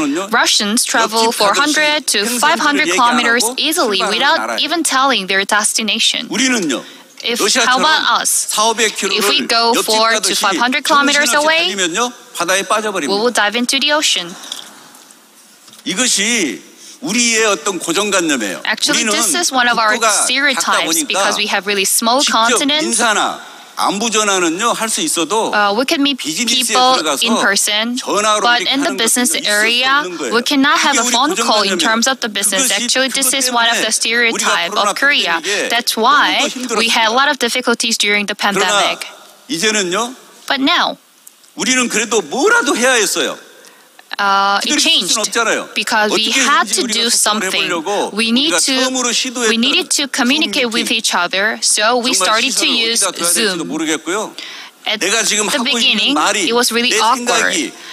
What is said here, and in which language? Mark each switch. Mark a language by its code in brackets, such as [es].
[en] Russians travel 400 to 500 kilometers easily without even telling their destination. If, how about us? If we go 4 to 500 kilometers away, we will dive into the ocean. [ko] 이것이 우리의 어떤 고정관념이에요. [en] Actually, this is one of our stereotypes because we have really small continents. [ko] 인사나 안부 전화는요 할 수 있어도 [en] we can meet people in person but in the business area we cannot have a phone call in terms of the business actually this is one of the stereotype of Korea that's why we had a lot of difficulties during the pandemic [ko] 이제는요 [en] but now [ko] 우리는 그래도 뭐라도 해야 했어요 [en] It changed because we had to do something. We needed to communicate with each other, so we started to use Zoom. At the beginning, it was really awkward.